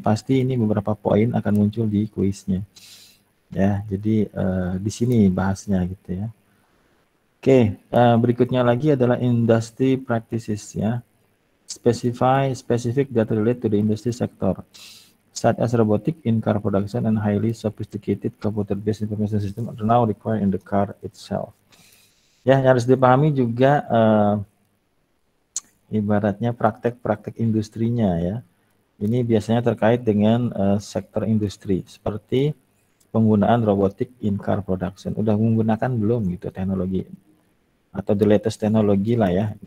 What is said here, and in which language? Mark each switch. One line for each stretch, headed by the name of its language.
Indonesian: Pasti ini beberapa poin akan muncul di kuisnya. Ya, jadi di sini bahasnya gitu ya. Oke, okay, berikutnya lagi adalah industry practices ya.
English: Specific that relate to the industry sector. Such as robotic in car production and highly sophisticated computer based information system are now required in the car itself.
Indonesian: Ya, yang harus dipahami juga ibaratnya praktek-praktek industrinya ya. Ini biasanya terkait dengan sektor industri seperti penggunaan
English: robotic in car production.
Indonesian: Udah menggunakan belum gitu teknologi atau
English: the latest
Indonesian: teknologi lah ya.